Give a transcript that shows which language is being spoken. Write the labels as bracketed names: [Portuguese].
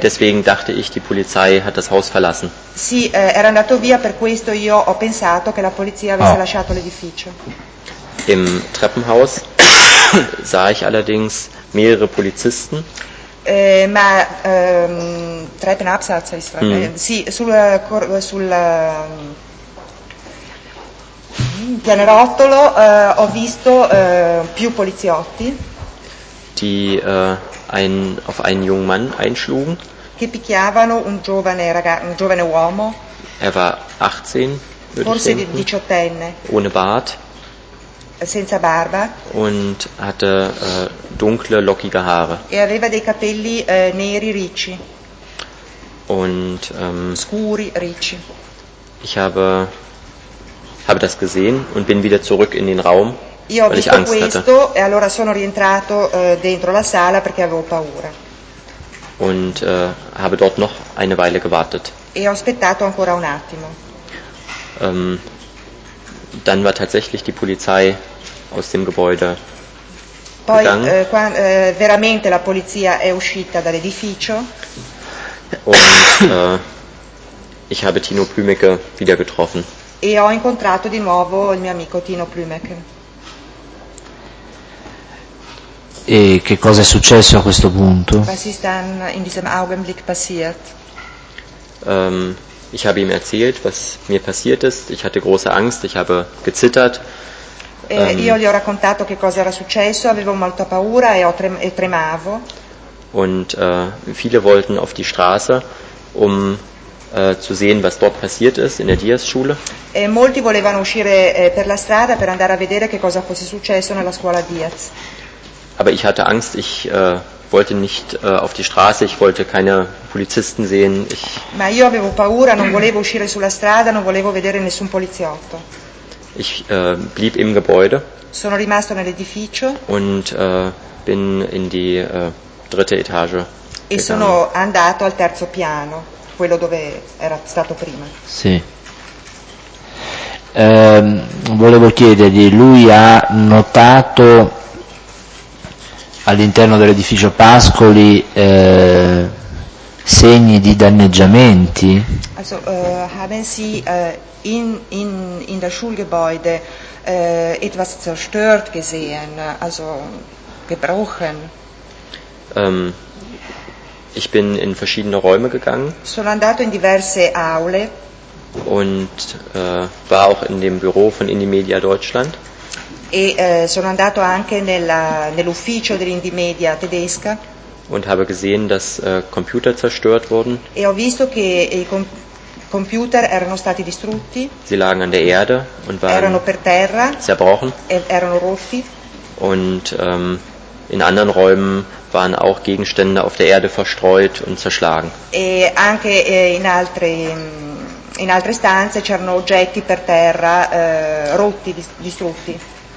[German] Deswegen dachte ich, die Polizei hat das Haus verlassen. [Italian] Sì, era andato via, per questo io ho pensato che la polizia avesse lasciato l'edificio. [German] Im Treppenhaus sah ich allerdings mehrere Polizisten. Treppenabsatz heißt das. [Italian] Sì, sul pianerottolo ho visto più poliziotti. [German] Die auf einen jungen Mann einschlugen. [Italian] Che picchiavano un giovane uomo. [German] Er war 18, [Italian] forse di 18enne. [German] Ohne Bart. [Italian] Senza barba. [German] Und hatte dunkle, lockige Haare. [Italian] E aveva dei capelli neri ricci. [German] Und [Italian] scuri ricci. [German] Ich habe das gesehen und bin wieder zurück in den Raum. [Italian] Io ho visto questo [German] hatte. [Italian] E allora sono rientrato dentro la sala perché avevo paura. [German] Und habe dort noch eine Weile gewartet. [Italian] E ho aspettato ancora un attimo. [German] Dann war tatsächlich die Polizei aus dem Gebäude [Italian] Poi, [German] gegangen. [Italian] Veramente la polizia è uscita dall'edificio. [German] Und ich habe Tino Plümecke wieder getroffen. [Italian] E ho incontrato di nuovo il mio amico Tino Plümecke. E che cosa è successo a questo punto? [German] Was ist dann in diesem Augenblick passiert? Ich habe ihm erzählt, was mir passiert ist. Ich hatte große Angst, ich habe gezittert. [Italian] Io gli ho raccontato che cosa era successo, avevo molta paura e tremavo. [German] Und viele wollten auf die Straße, um zu sehen, was dort passiert ist in der Diaz-Schule. [Italian] E molti volevano uscire per la strada per andare a vedere che cosa fosse successo nella scuola Diaz. [German] Aber ich hatte Angst, ich wollte nicht auf die Straße, ich wollte keine Polizisten sehen. [Italian] Ma io avevo paura, non volevo uscire sulla strada, non volevo vedere nessun poliziotto. [German] Ich blieb im Gebäude. [Italian] Sono rimasto nell'edificio. [German] Und bin in die dritte Etage. [Italian] E [German] gegangen. [Italian] Sono andato al terzo piano, quello dove era stato prima. Sì. Volevo chiedergli, lui ha notato all'interno dell'edificio Pascoli segni di danneggiamenti? [German] Also haben Sie in der Schulgebäude etwas zerstört gesehen, also gebrochen? Ich bin in verschiedene Räume gegangen. [Italian] Sono andato in diverse aule. [German] Und war auch in dem Büro von Indymedia Deutschland. [Italian] E sono andato anche nell'ufficio dell'Indymedia tedesca. [German] Und habe gesehen, dass Computer zerstört wurden. [Italian] E ho visto che i computer erano stati distrutti. [German] Sie lagen an der Erde und waren [Italian] erano per terra. [German] Zerbrochen. [Italian] Erano rotti. [German] Und in anderen Räumen waren auch Gegenstände auf der Erde verstreut und zerschlagen. [Italian] E anche in altre stanze c'erano oggetti per terra rotti, distrutti.